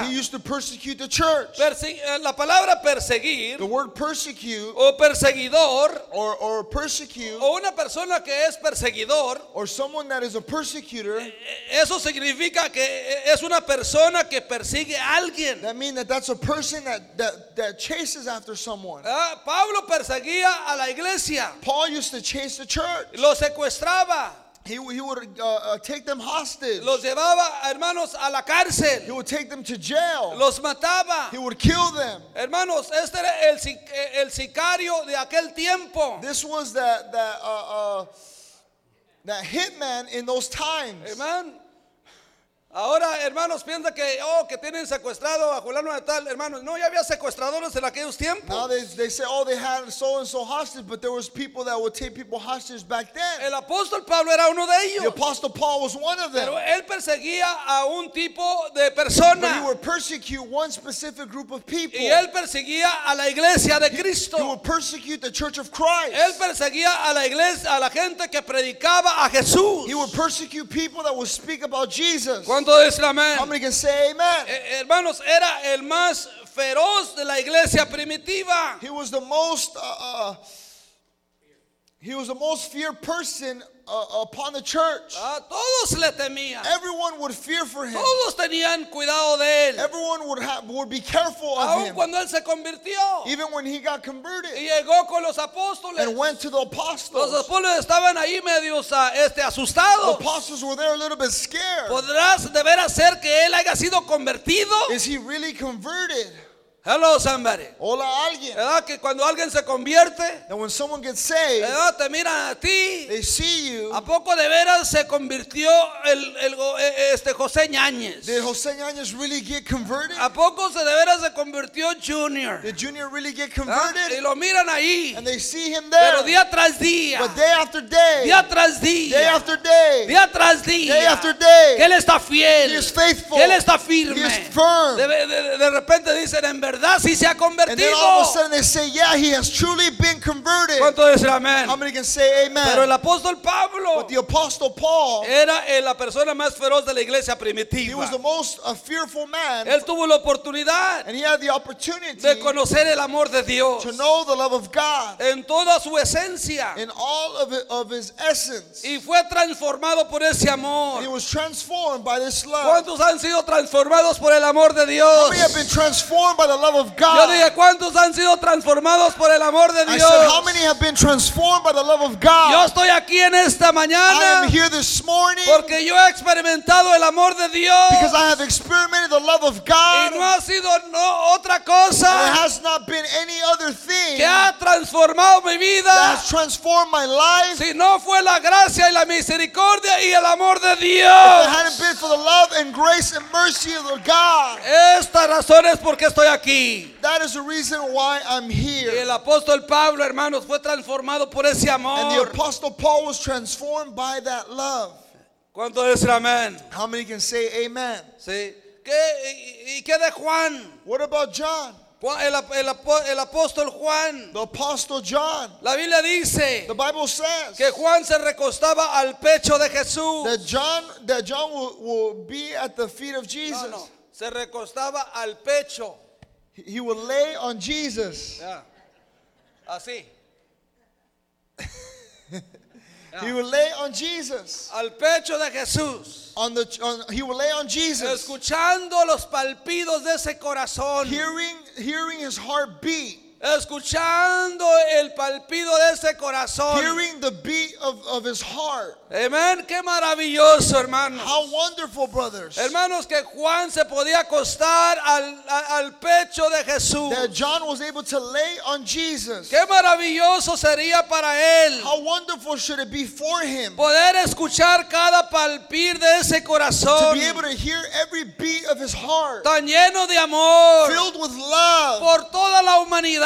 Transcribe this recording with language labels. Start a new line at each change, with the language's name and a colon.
English: He used to persecute the church.
Spanish: La palabra perseguir,
English: the word persecute,
Spanish: o perseguidor,
English: or persecute,
Spanish: o una persona que es perseguidor,
English: or someone that is a persecutor,
Spanish: eso significa que es una persona que persigue a alguien.
English: That means that that's a person that chases after someone.
Spanish: Pablo perseguía a la iglesia.
English: Paul used to chase the church.
Spanish: Lo secuestraba.
English: He would take them hostage.
Spanish: Los llevaba, hermanos, a la cárcel.
English: He would take them to jail.
Spanish: Los mataba.
English: He would kill them.
Spanish: Hermanos, este era el sicario de aquel tiempo.
English: This was that hitman in those times. Amen.
Spanish: Ahora, hermanos, piensa que oh, que tienen secuestrado a fulano de tal, hermanos. No, ya había secuestradores en aquellos tiempos.
English: Now they say, oh, they had so and so hostage, but there was people that would take people hostage back then.
Spanish: El apóstol Pablo era uno de ellos.
English: The apostle Paul was one of them.
Spanish: Pero él perseguía a un tipo de persona.
English: But he would persecute one specific group of people.
Spanish: Y él perseguía a la iglesia de Cristo.
English: He would persecute the church of Christ.
Spanish: Él perseguía a la iglesia, a la gente que predicaba a Jesús.
English: He would persecute people that would speak about Jesus.
Spanish: ¿Cuántos dicen amén?
English: How many can say amen?
Spanish: Hermanos, era el más feroz de la iglesia primitiva.
English: He was the most feared person upon the church.
Spanish: Todos le temían.
English: Everyone would fear for him.
Spanish: Todos tenían cuidado de él.
English: Everyone would be careful of him.
Spanish: Cuando él se convirtió.
English: Even when he got converted.
Spanish: Y llegó con los apóstoles.
English: And went to the apostles.
Spanish: Los apóstoles estaban ahí medio asustados.
English: The apostles were there a little bit scared.
Spanish: ¿Podrás de ver hacer que él haya sido convertido?
English: Is he really converted? Hello, somebody.
Spanish: Hola, alguien. ¿Verdad que cuando alguien se convierte?
English: And when someone gets saved,
Spanish: ¿verdad? Te miran a ti.
English: They see you.
Spanish: ¿A poco de veras se convirtió el José Ñañez?
English: Did José Ñañez really get converted?
Spanish: ¿A poco de veras se convirtió Junior?
English: Did Junior really get converted?
Spanish: Y lo miran ahí.
English: And they see him there.
Spanish: Pero día tras día.
English: But day after day.
Spanish: Día tras día.
English: Day after day.
Spanish: Día tras día.
English: Day after day.
Spanish: Que él está fiel.
English: He is faithful.
Spanish: Que él está firme.
English: He is firm.
Spanish: De repente dicen en verdad.
English: And then all of a sudden they say, yeah, he has truly been converted. How many can say amen?
Spanish: Pero el apóstol Pablo,
English: but the apostle Paul
Spanish: era la persona más feroz de la iglesia primitiva.
English: He was the most fearful man.
Spanish: Él tuvo la oportunidad,
English: and he had the opportunity
Spanish: de conocer el amor de Dios,
English: to know the love of God
Spanish: en toda su esencia,
English: in all of his essence.
Spanish: Y fue transformado por ese amor.
English: And he was transformed by this love.
Spanish: ¿Cuántos han sido transformados por el amor de Dios?
English: How many have been transformed by the love of God?
Spanish: Yo dije, ¿cuántos han sido transformados por el amor de Dios?
English: I said, how many have been transformed by the love of God?
Spanish: Yo estoy aquí en esta mañana.
English: I am here this morning.
Spanish: Porque yo he experimentado el amor de Dios.
English: Because I have experimented the love of God.
Spanish: Y no ha sido no, otra cosa.
English: It has not been any other thing.
Spanish: Que ha transformado mi vida.
English: That has transformed my life.
Spanish: Si no fue la gracia y la misericordia y el amor de Dios.
English: If it hadn't been for the love and grace and mercy of God.
Spanish: Esta razón es porque estoy aquí.
English: That is the reason why I'm here.
Spanish: El apóstol Pablo, hermanos, fue transformado por ese amor.
English: And the apostle Paul was transformed by that love.
Spanish: ¿Cuánto dice amén?
English: How many can say amen?
Spanish: Sí. ¿Qué y qué de Juan?
English: What about John?
Spanish: El apóstol Juan.
English: The apostle John.
Spanish: La Biblia dice.
English: The Bible says.
Spanish: Que Juan se recostaba al pecho de Jesús.
English: That John will be at the feet of Jesus.
Spanish: No, no. Se recostaba al pecho.
English: He would lay on Jesus.
Spanish: Yeah. Así.
English: He would lay on Jesus.
Spanish: Al pecho de Jesús.
English: He would lay on Jesus.
Spanish: Escuchando los palpidos de ese corazón.
English: Hearing his heart beat.
Spanish: Escuchando el palpido de ese corazón.
English: Hearing the beat of his heart.
Spanish: Amen. Qué maravilloso, hermanos.
English: How wonderful, brothers.
Spanish: Hermanos, que Juan se podía acostar al pecho de Jesús.
English: That John was able to lay on Jesus.
Spanish: Qué maravilloso sería para él.
English: How wonderful should it be for him.
Spanish: Poder escuchar cada palpir de ese corazón.
English: To be able to hear every beat of his heart.
Spanish: Tan lleno de amor.
English: Filled with love.
Spanish: Por toda la humanidad.